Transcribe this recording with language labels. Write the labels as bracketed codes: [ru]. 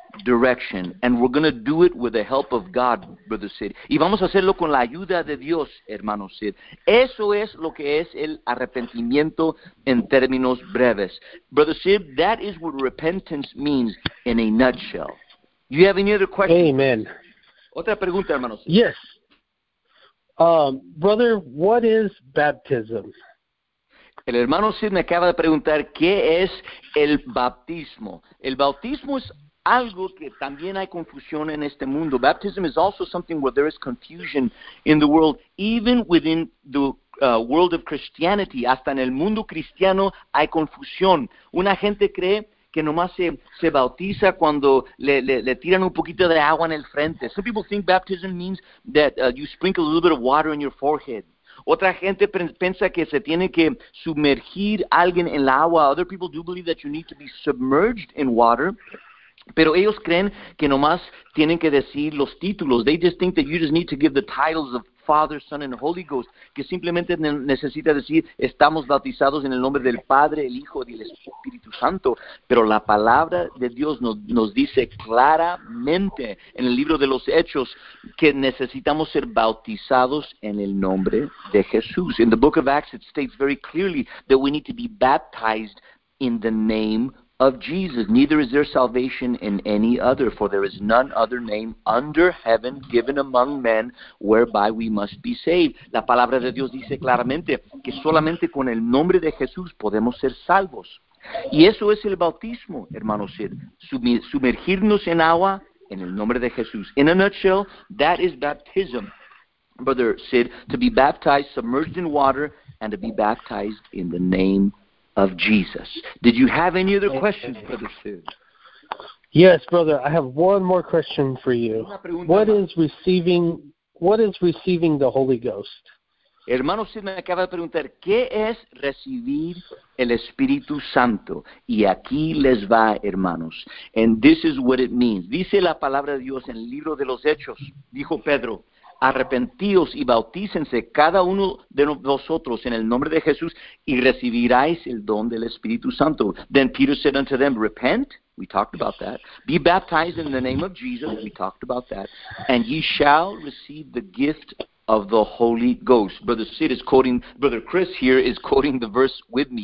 [en] direction, and we're going to do it with the help of God, Brother Sid. [es] Y vamos a hacerlo con la ayuda de Dios, hermano Sid. Eso es lo que es el arrepentimiento en términos breves. [en] Brother Sid, that is what repentance means in a nutshell. You have any other questions? Amen. [es] Otra pregunta, hermano Sid. [en] Yes. Brother, what is baptism? [es] El hermano Sid me acaba de preguntar, ¿qué es el bautismo? El bautismo es algo que también hay confusión en este mundo. [en] Baptism is also something where there is confusion in the world. Even within the world of Christianity, [es] hasta en el mundo cristiano hay confusión. Una gente cree que nomás se bautiza cuando le tiran un poquito de agua en el frente. [en] Some people think baptism means that you sprinkle a little bit of water in your forehead. [es] Otra gente piensa que se tiene que sumergir alguien en la agua. [en] Other people do believe that you need to be submerged in water. [es] Pero ellos creen que nomás tienen que decir los títulos. [en] They just think that you just need to give the titles of Father, Son, and Holy Ghost. [es] Que simplemente necesita decir, estamos bautizados en el nombre del Padre, el Hijo y el Espíritu Santo. Pero la palabra de Dios nos dice claramente en el libro de los Hechos que necesitamos ser bautizados en el nombre de Jesús. [en] In the book of Acts, it states very clearly that we need to be baptized in the name of Jesus. Neither is there salvation in any other, for there is none other name under heaven given among men whereby we must be saved. [es] La palabra de Dios dice claramente que solamente con el nombre de Jesús podemos ser salvos. Y eso es el bautismo, hermano Sid, sumergirnos en agua en el nombre de Jesús. [en] In a nutshell, that is baptism, Brother Sid, to be baptized, submerged in water, and to be baptized in the name of Jesus. Did you have any other questions, Brother Sid? Yes, brother. I have one more question for you. What is receiving the Holy Ghost? [es] Hermano Sid me acaba de preguntar, ¿qué es recibir el Espíritu Santo? Y aquí les va, hermanos. [en] And this is what it means. [es] Dice la palabra de Dios en el libro de los Hechos, dijo Pedro, arrepentíos y bautícense cada uno de vosotros en el nombre de Jesús y recibiráis el don del Espíritu Santo. [en] Then Peter said unto them, repent, we talked about that. Be baptized in the name of Jesus, we talked about that. And ye shall receive the gift of the Holy Ghost. Brother Chris here is quoting the verse with me.